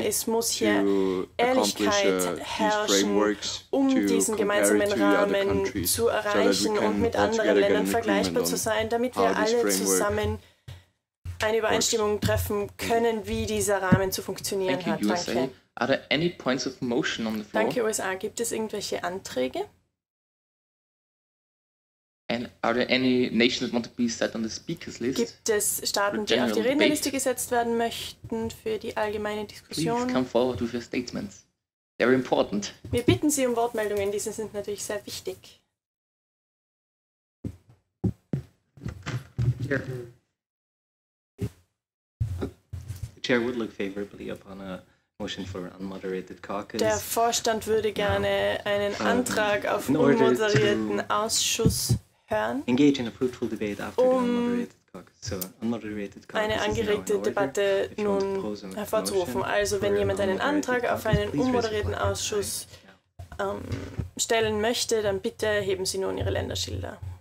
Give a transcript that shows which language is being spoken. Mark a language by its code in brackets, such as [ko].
[de] Es muss hier Ehrlichkeit herrschen, um diesen gemeinsamen Rahmen zu erreichen und mit anderen Ländern vergleichbar zu sein, damit wir alle zusammen eine Übereinstimmung treffen können, wie dieser Rahmen zu funktionieren hat. Danke. [en] Are there any points of motion on the floor? [de] Danke, USA. Gibt es irgendwelche Anträge? [en] And are there any nations that want to be set on the speakers list? [de] Gibt es Staaten, die auf die Rednerliste gesetzt werden möchten für die allgemeine Diskussion? [en] Please come forward with your statements. They're important. [de] Wir bitten Sie um Wortmeldungen. Diese sind natürlich sehr wichtig. [en] Chair. The chair would look favorably upon a Motion for unmoderated caucus. [de] Der Vorstand würde gerne einen Antrag auf unmoderierten Ausschuss hören, [en] engage in a fruitful debate after the unmoderated caucus. So, unmoderated caucus [de] eine angeregte Debatte nun hervorzurufen. Also wenn jemand einen Antrag auf einen unmoderierten Ausschuss stellen möchte, dann bitte heben Sie nun Ihre Länderschilder.